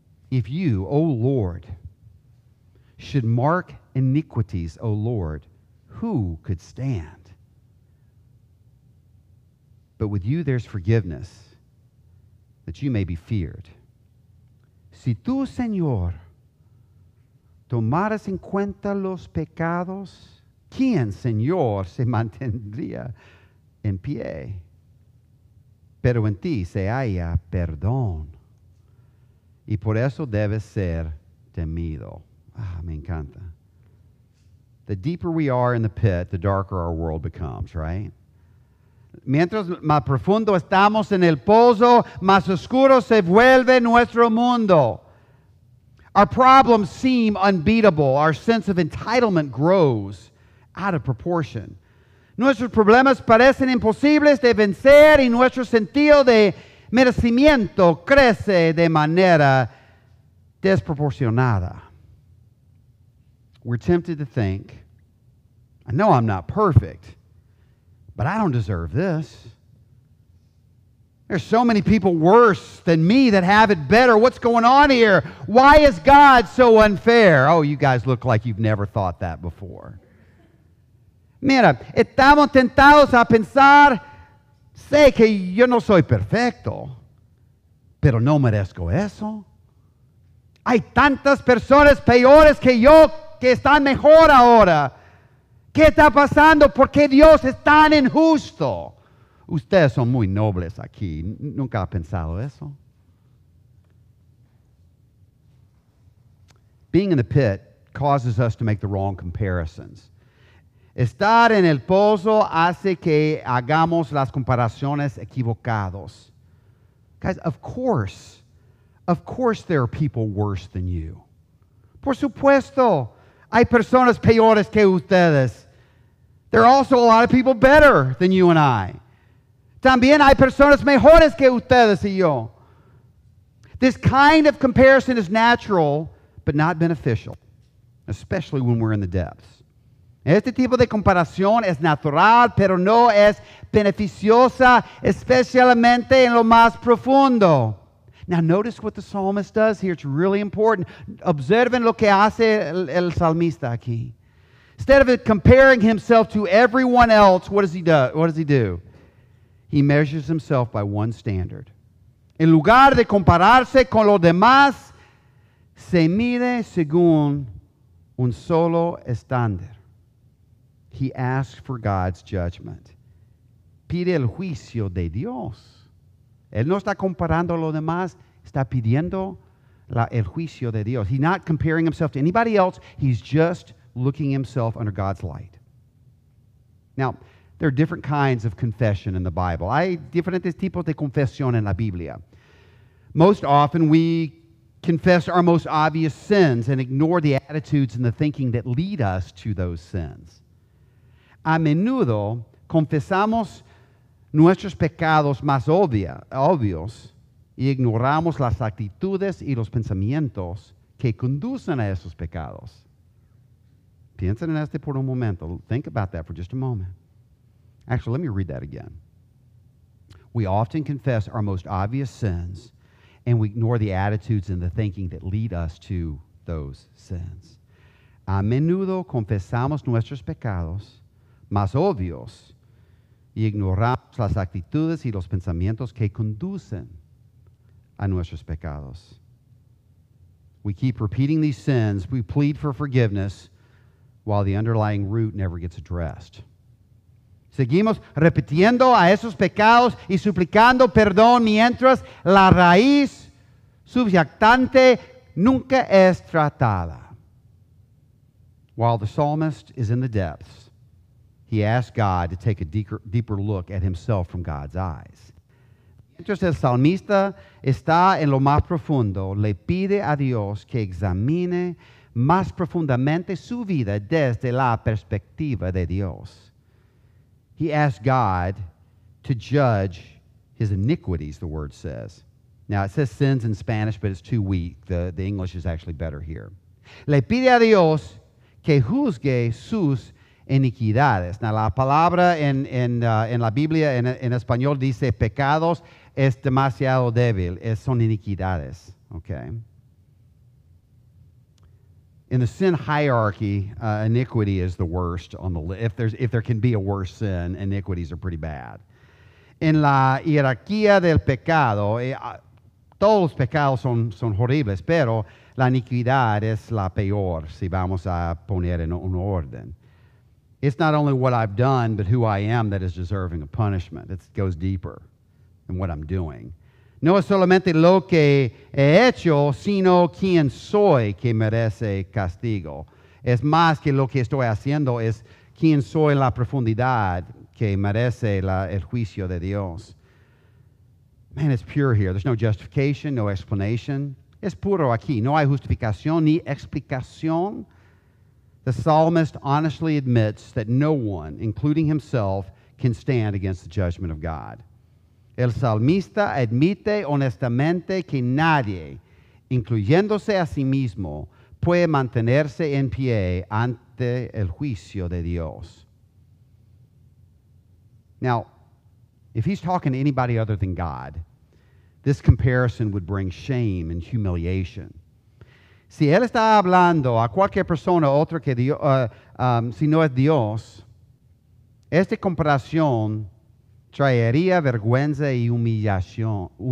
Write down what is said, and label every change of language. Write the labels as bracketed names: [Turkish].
[English] If you, O Lord, should mark iniquities, O Lord, who could stand? But with you there's forgiveness, that you may be feared. [Spanish] Si tú, Señor, tomaras en cuenta los pecados, ¿quién, Señor, se mantendría en pie? Pero en ti se halla perdón. Y por eso debes ser temido. Me encanta. [English] The deeper we are in the pit, the darker our world becomes, right? [Spanish] Mientras más profundo estamos en el pozo, más oscuro se vuelve nuestro mundo. [English] Our problems seem unbeatable. Our sense of entitlement grows out of proportion. [Spanish] Nuestros problemas parecen imposibles de vencer y nuestro sentido de merecimiento crece de manera desproporcionada. [English] We're tempted to think I know I'm not perfect, but I don't deserve this. There's so many people worse than me that have it better. What's going on here? Why is God so unfair? Oh, you guys look like you've never thought that before. [Spanish] Mira, estamos tentados a pensar, sé que yo no soy perfecto, pero no merezco eso. Hay tantas personas peores que yo que están mejor ahora. ¿Qué está pasando? ¿Por qué Dios es tan injusto? Ustedes son muy nobles aquí. ¿Nunca ha pensado eso? [English] Being in the pit causes us to make the wrong comparisons. [Spanish] Estar en el pozo hace que hagamos las comparaciones equivocadas. [English] Guys, of course there are people worse than you. [Spanish] Por supuesto, hay personas peores que ustedes. [English] There are also a lot of people better than you and I. [Spanish] También hay personas mejores que ustedes y yo. [English] This kind of comparison is natural, but not beneficial, especially when we're in the depths. [Spanish] Este tipo de comparación es natural, pero no es beneficiosa, especialmente en lo más profundo. [English] Now, notice what the psalmist does here. It's really important. [Spanish] Observen lo que hace el salmista aquí. [English] Instead of comparing himself to everyone else, what does he do? He measures himself by one standard. [Spanish] En lugar de compararse con los demás, se mide según un solo estándar. [English] He asks for God's judgment. [Spanish] Pide el juicio de Dios. Él no está comparando a los demás, está pidiendo el juicio de Dios. [English] He's not comparing himself to anybody else. He's just looking himself under God's light. Now, there are different kinds of confession in the Bible. [Spanish] Hay diferentes tipos de confesión en la Biblia. [English] Most often, we confess our most obvious sins and ignore the attitudes and the thinking that lead us to those sins. [Spanish] A menudo, confesamos nuestros pecados más obvios y ignoramos las actitudes y los pensamientos que conducen a esos pecados. Piensen en este por un momento. [English] Think about that for just a moment. Actually, let me read that again. We often confess our most obvious sins, and we ignore the attitudes and the thinking that lead us to those sins. [Spanish] A menudo confesamos nuestros pecados más obvios y ignoramos las actitudes y los pensamientos que conducen a nuestros pecados. [English] We keep repeating these sins. We plead for forgiveness while the underlying root never gets addressed. [Spanish] Seguimos repitiendo a esos pecados y suplicando perdón mientras la raíz subyacente nunca es tratada. [English] While the psalmist is in the depths, he asks God to take a deeper look at himself from God's eyes. [Spanish] Mientras el salmista está en lo más profundo, le pide a Dios que examine más profundamente su vida desde la perspectiva de Dios. [English] He asks God to judge his iniquities, the word says. Now, it says sins in Spanish, but it's too weak. The English is actually better here. [Spanish] Le pide a Dios que juzgue sus iniquidades. Now, la palabra en la Biblia en español dice pecados es demasiado débil. Es son iniquidades. Okay. [English] In the sin hierarchy, iniquity is the worst on the list. If there can be a worse sin, iniquities are pretty bad. [Spanish] En la hierarquía del pecado, todos los pecados son horribles, pero la iniquidad es la peor, si vamos a poner en un orden. [English] It's not only what I've done, but who I am that is deserving of punishment. It goes deeper than what I'm doing. [Spanish] No es solamente lo que he hecho, sino quién soy que merece castigo. Es más que lo que estoy haciendo, es quién soy la profundidad que merece el juicio de Dios. [English] Man, it's pure here. There's no justification, no explanation. [Spanish] Es puro aquí. No hay justificación ni explicación. [English] The psalmist honestly admits that no one, including himself, can stand against the judgment of God. [Spanish] El salmista admite honestamente que nadie, incluyéndose a sí mismo, puede mantenerse en pie ante el juicio de Dios. [English] Now, if he's talking to anybody other than God, this comparison would bring shame and humiliation. [Spanish] Si él está hablando a cualquier persona otra que Dios, si no es Dios, esta comparación traería vergüenza y humillación.